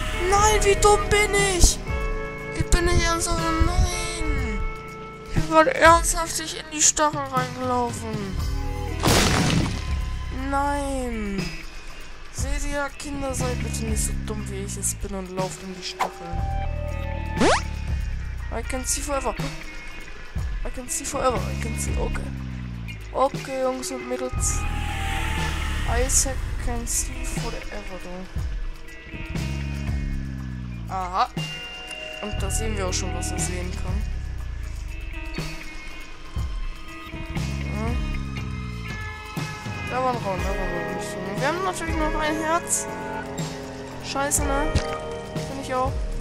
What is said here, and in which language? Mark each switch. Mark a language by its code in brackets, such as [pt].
[de] Nein, wie dumm bin ich? Ich bin nicht ernsthaft. Nein! Ich bin ernsthaft in die Stachel reingelaufen. Nein! Seht ihr, Kinder, seid bitte nicht so dumm wie ich es bin und lauft in die Stachel. [en] I can see forever. I can see forever, I can see, okay. Okay, [de] Jungs und Mädels. [en] Isaac can see forever, though. Aha. [de] Und da sehen wir auch schon, was er sehen kann. Ja. Da war ein Raum, da war ein Raum. Wir haben natürlich noch ein Herz. Scheiße, ne? Finde ich auch.